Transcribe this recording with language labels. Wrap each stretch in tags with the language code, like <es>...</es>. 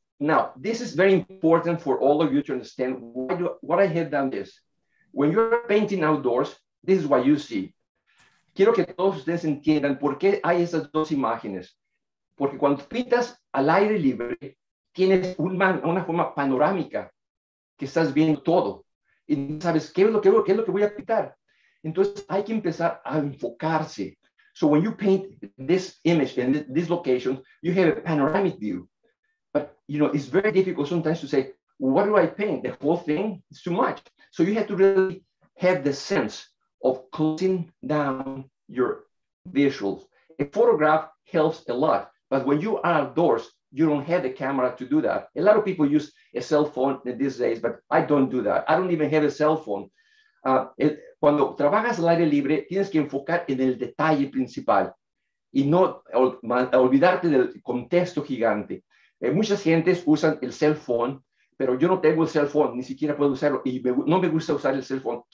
<en>Now, this is very important for all of you to understand what I have done this. When you're painting outdoors, this is what you see.</en> <es>Quiero que todos ustedes entiendan por qué hay esas dos imágenes. Porque cuando pintas al aire libre, tienes una forma panorámica que estás viendo todo y no sabes qué es lo que voy a pintar. Entonces hay que empezar a enfocarse.</es> <en>So when you paint this image in this location, you have a panoramic view. But, you know, it's very difficult sometimes to say, what do I paint? The whole thing is too much. So you have to really have the sense of closing down your visuals. A photograph helps a lot, but when you are outdoors, you don't have the camera to do that. A lot of people use a cell phone these days, but I don't do that. I don't even have a cell phone.</en> <es>Cuando trabajas al aire libre, tienes que enfocar en el detalle principal y no olvidarte del contexto gigante. Muchas gentes usan el cell phone, pero yo no tengo el cell phone, ni siquiera puedo usarlo y no me gusta usar el cell phone.</es>